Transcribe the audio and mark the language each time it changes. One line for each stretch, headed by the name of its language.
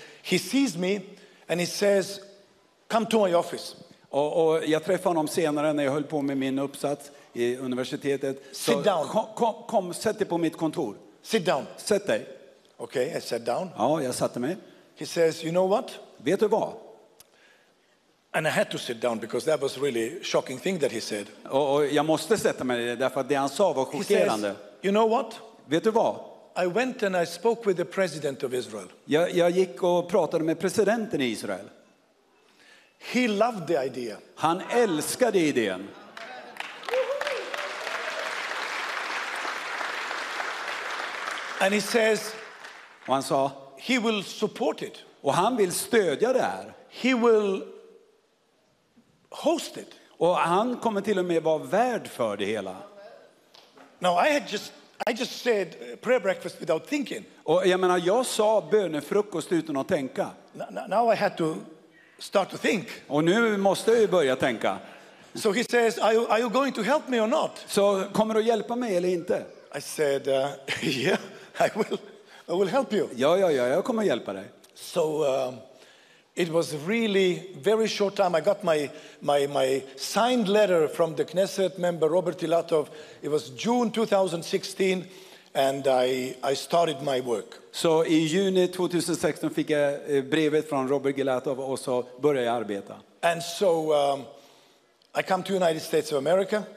English: He sees me and he says, come to my office.
Swedish: Och jag träffar honom senare när jag höll på med min uppsats i universitetet.
English: Sit down.
Swedish: Kom, sätt dig på mitt kontor.
English: Sit down.
Swedish: Sätt dig.
English: Okay, I sat down.
Swedish: Ja, jag satte mig.
English: He says, you know what?
Swedish: Vet du vad?
English: And I had to sit down because that was really shocking thing that he said.
Swedish: Och jag måste sätta mig därför att det han sa var chockerande.
English: He says, you know what?
Swedish: Vet du vad?
English: I went and I spoke with the president of Israel.
Swedish: Jag gick och pratade med presidenten i Israel.
English: He loved the idea.
Swedish: Han älskade idén.
English: And he says,
Swedish: och han sa,
English: he will support it.
Swedish: Och han vill stödja det här.
English: He will host it.
Swedish: Och han kommer till och med vara värd för det hela.
English: Now I just said prayer breakfast without thinking.
Swedish: Och jag menar, jag sa bönefrukost utan att tänka.
English: Now I had to start to think.
Swedish: Och nu måste jag börja tänka.
English: So he says, are you going to help me or not?
Swedish: Så kommer du hjälpa mig eller inte?
English: I said, yeah. I will help you.
Swedish: Ja, jag kommer hjälpa dig.
English: So it was really very short time. I got my signed letter from the Knesset member Robert Ilatov. It was June 2016, and I started my work.
Swedish: Så i juni 2016 fick jag brevet från Robert Ilatov och så började jag arbeta.
English: And so I come to United States of America.